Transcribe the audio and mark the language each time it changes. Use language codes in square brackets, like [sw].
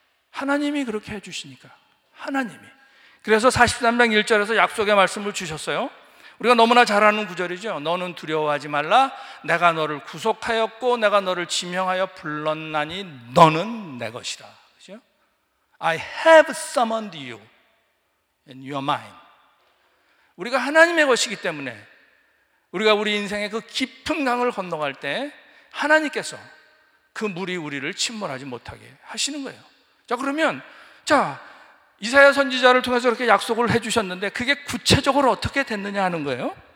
[ko] 하나님이 그렇게 해주시니까. 하나님이. 그래서 43장 1절에서 약속의 말씀을 주셨어요. 우리가 너무나 잘 아는 구절이죠. 너는 두려워하지 말라. 내가 너를 구속하였고 내가 너를 지명하여 불렀나니 너는 내 것이라. 그렇죠? [en] I have summoned you and you are mine. [ko] 우리가 하나님의 것이기 때문에 우리가 우리 인생의 그 깊은 강을 건너갈 때 하나님께서 그 물이 우리를 침몰하지 못하게 하시는 거예요. 자 그러면 자 이사야 선지자를 통해서 그렇게 약속을 해주셨는데 그게 구체적으로 어떻게 됐느냐 하는 거예요.